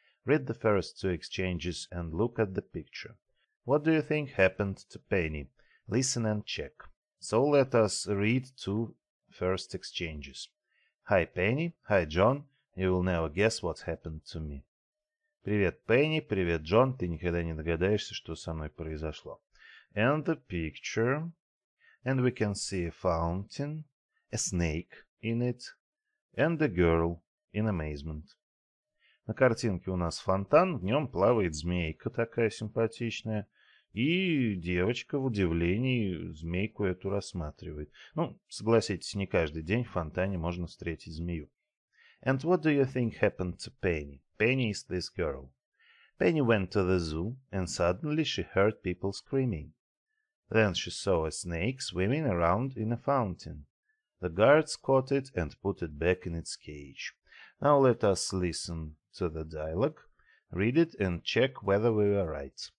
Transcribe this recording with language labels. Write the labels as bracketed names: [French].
[English] Read the first two exchanges and look at the picture. What do you think happened to Penny? Listen and check. So let us read two first exchanges. Hi, Penny. Hi, John. You will never guess what happened to me. [Russian] Привет, Penny. Привет, John. Ты никогда не догадаешься, что со мной произошло. [English] And the picture. And we can see a fountain. A snake in it, and a girl in amazement. [Russian] На картинке у нас фонтан, в нем плавает змейка такая симпатичная, и девочка в удивлении змейку эту рассматривает. Ну, согласитесь, не каждый день в фонтане можно встретить змею. [English] And what do you think happened to Penny? Penny is this girl. Penny went to the zoo, and suddenly she heard people screaming. Then she saw a snake swimming around in a fountain. The guards caught it and put it back in its cage. Now let us listen to the dialogue, read it and check whether we were right.